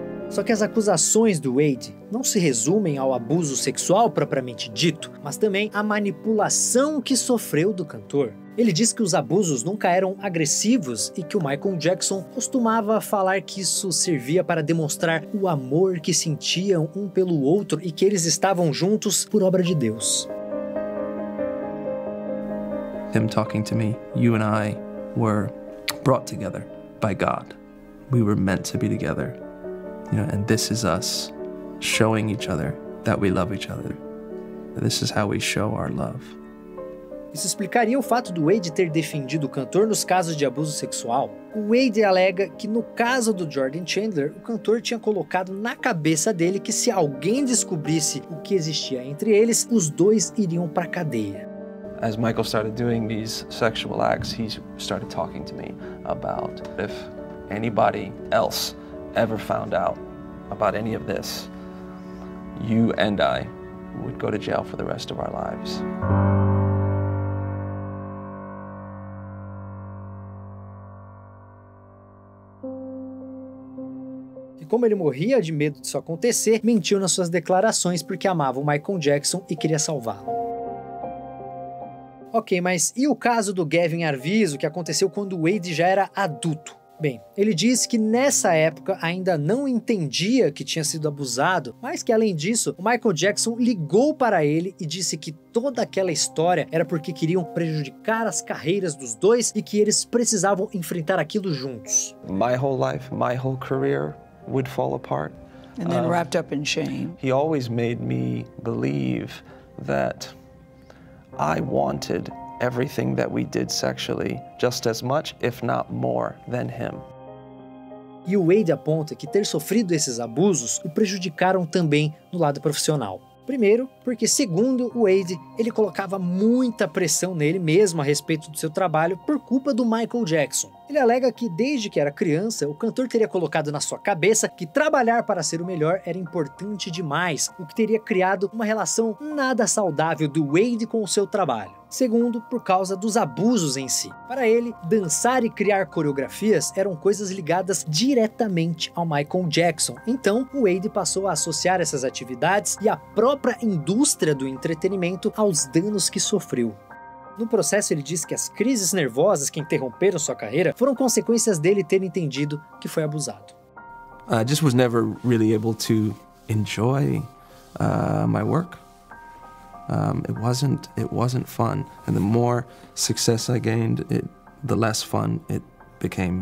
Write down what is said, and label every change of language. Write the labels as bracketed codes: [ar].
[pt] Só que as acusações do Wade não se resumem ao abuso sexual propriamente dito, mas também à manipulação que sofreu do cantor. Ele diz que os abusos nunca eram agressivos e que o Michael Jackson costumava falar que isso servia para demonstrar o amor que sentiam um pelo outro e que eles estavam juntos por obra de Deus. [en] Him talking to me, you and I were brought together by God. We were meant to be together. You know, and this is us showing each other that we love each other. This is how we show our love. [pt] Isso explicaria o fato do Wade ter defendido o cantor nos casos de abuso sexual. O Wade alega que no caso do Jordan Chandler, o cantor tinha colocado na cabeça dele que se alguém descobrisse o que existia entre eles, os dois iriam para a cadeia. [en] As Michael started doing these sexual acts, he started talking to me about if anybody else ever found out about any of this, you and I would go to jail for the rest of our lives. [pt] E como ele morria de medo disso acontecer, mentiu nas suas declarações porque amava o Michael Jackson e queria salvá-lo. Ok, mas e o caso do Gavin Arvizo, que aconteceu quando Wade já era adulto? Bem, ele disse que nessa época ainda não entendia que tinha sido abusado, mas que além disso, o Michael Jackson ligou para ele e disse que toda aquela história era porque queriam prejudicar as carreiras dos dois e que eles precisavam enfrentar aquilo juntos. [en] My whole life, my whole career would fall apart. And then wrapped up in shame. He always made me believe that I wanted everything that we did sexually, just as much, if not more, than him. [pt] E o Wade aponta que ter sofrido esses abusos o prejudicaram também no lado profissional. Primeiro, porque segundo o Wade, ele colocava muita pressão nele mesmo a respeito do seu trabalho por culpa do Michael Jackson. Ele alega que desde que era criança, o cantor teria colocado na sua cabeça que trabalhar para ser o melhor era importante demais, o que teria criado uma relação nada saudável do Wade com o seu trabalho. Segundo, por causa dos abusos em si. Para ele, dançar e criar coreografias eram coisas ligadas diretamente ao Michael Jackson. Então, o Wade passou a associar essas atividades e a própria indústria do entretenimento aos danos que sofreu. No processo, ele diz que as crises nervosas que interromperam sua carreira foram consequências dele ter entendido que foi abusado. [en] I just was never really able to enjoy my work. It wasn't fun, and the more success I gained, the less fun it became.